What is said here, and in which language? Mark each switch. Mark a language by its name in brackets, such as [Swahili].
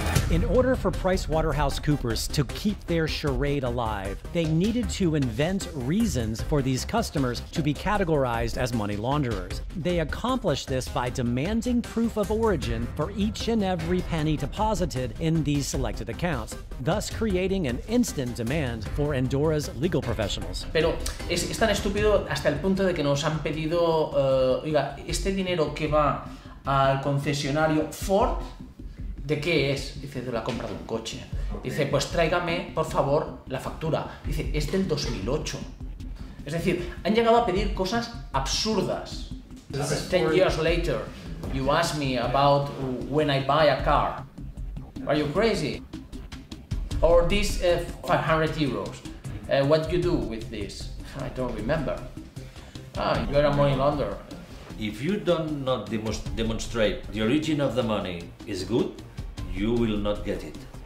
[English] In order for PricewaterhouseCoopers to keep their charade alive, they needed to invent reasons for these customers to be categorized as money launderers. They accomplished this by demanding proof of origin for each and every penny deposited in these selected accounts, thus creating an instant demand for Andorra's legal professionals. [Spanish] Pero es tan estúpido hasta el punto de que nos han pedido, oiga, este dinero que va al concesionario Ford, ¿de qué es? Dice, de la compra de un coche. Dice, pues tráigame, por favor, la factura. Dice, es del 2008. Es decir, han llegado a pedir cosas absurdas. [English] 10 years later, you ask me about when I buy a car. Are you crazy? Or this 500 euros. What do you do with this? I don't remember. Ah, you're a money launderer. If you don't demonstrate the origin of the money is good, you will not get it.